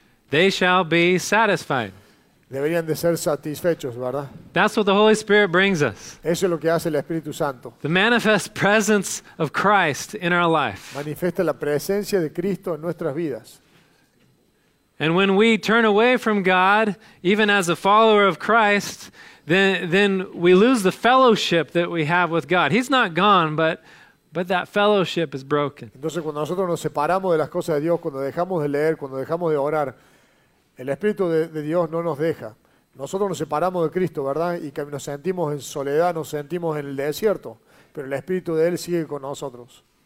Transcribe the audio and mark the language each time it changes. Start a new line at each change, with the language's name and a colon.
English: They shall be satisfied.
Spanish: Deberían de ser satisfechos, ¿verdad?
English: That's what the Holy Spirit brings us.
Spanish: Eso es lo que hace el Espíritu Santo.
English: The manifest presence of Christ in our life.
Spanish: Manifiesta la presencia de Cristo en nuestras vidas.
English: And when we turn away from God, even as a follower of Christ, then we lose the fellowship that we have with God. He's not gone, but that fellowship is broken.
Spanish: Entonces cuando nosotros nos separamos de las cosas de Dios, cuando dejamos de leer, cuando dejamos de orar, el Espíritu de Dios no nos deja. Nosotros nos separamos de Cristo, ¿verdad? Y que nos sentimos en soledad, nos sentimos en el desierto, pero el Espíritu de Él sigue con nosotros.